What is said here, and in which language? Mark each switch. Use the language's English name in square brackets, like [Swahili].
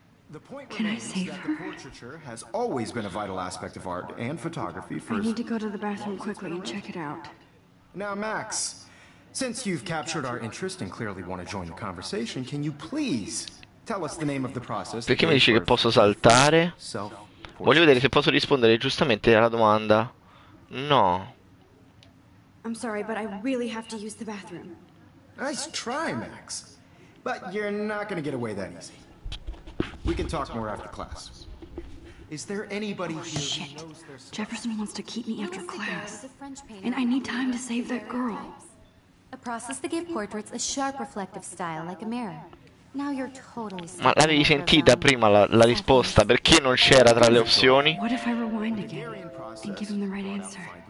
[English] The point Can I save her? Portraiture has always been a vital aspect of art and photography for... I need to go to the bathroom quickly and check it out. Now, Max, since you've captured our interest and clearly want to join the conversation, can you please tell us the name of the process... [Italian] Perché mi dice che posso saltare? Voglio vedere se posso rispondere giustamente alla domanda. [English] No. I'm sorry, but I really have to use the bathroom. Nice try, Max. But you're not gonna get away that easy. We can talk more after class. Is there anybody oh, here shit. Who knows their stuff? Jefferson wants to keep me after class. And I need time to save that girl. A process to give portraits a sharp reflective style like a mirror. Now you're totally [Italian] Ma l'avevi sentita prima la risposta, perché non c'era tra le opzioni? [English] What if I rewind again and give him the right answer?